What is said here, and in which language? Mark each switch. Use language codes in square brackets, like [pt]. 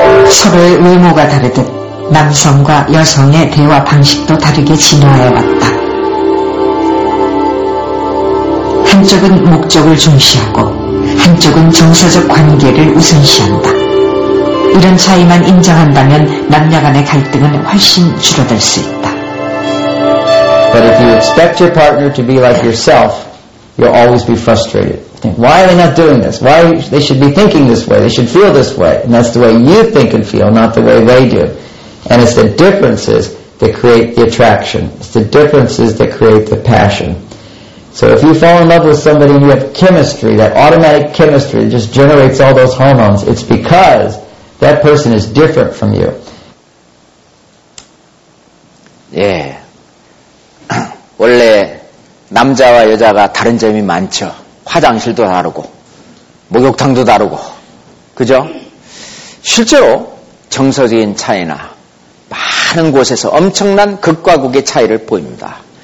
[ko] 서로의 외모가 다르듯 남성과 여성의 대화 방식도 다르게 진화해왔다. 한쪽은 목적을 중시하고 한쪽은 정서적 관계를 우선시한다. 이런 차이만 인정한다면 남녀 간의 갈등은 훨씬 줄어들 수 있다. [en] But if you expect your partner to be like yourself, you'll always be frustrated. Why are they not doing this? Why they should be thinking this way? They should feel this way. And that's the way you think and feel, not the way they do. And it's the differences that create the attraction. It's the differences that create the passion. So if you fall in love with somebody and you have chemistry, that automatic chemistry that just generates all those hormones, it's because that person is different from you. Yeah. [ko] 원래 남자와 여자가 다른 점이 많죠. 화장실도 다르고 목욕탕도 다르고 그죠? 실제로 정서적인 차이나 많은 곳에서 엄청난 극과 극의 차이를 보입니다.